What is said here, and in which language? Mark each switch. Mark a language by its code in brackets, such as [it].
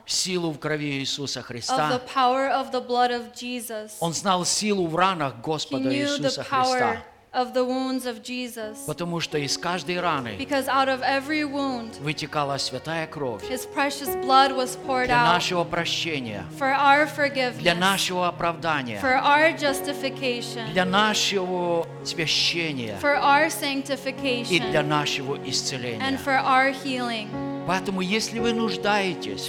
[ru] силу в крови Иисуса Христа. [en] Of the power of the blood of Jesus. [ru] Он знал силу в ранах Господа [en] he knew [ru] Иисуса [en] the power [ru] Христа. [en] Of the wounds of Jesus. [ru] Потому что из каждой раны [en] Because out of every wound, [ru] вытекала святая кровь. [en] His precious blood was poured [ru] out. Для нашего прощения. [en] For our forgiveness. [ru] Для нашего оправдания. [en] For our justification. [ru] Для нашего освящения. [en] For our sanctification. [ru] И для нашего исцеления. [en] And for our healing. [ru] Поэтому, если вы нуждаетесь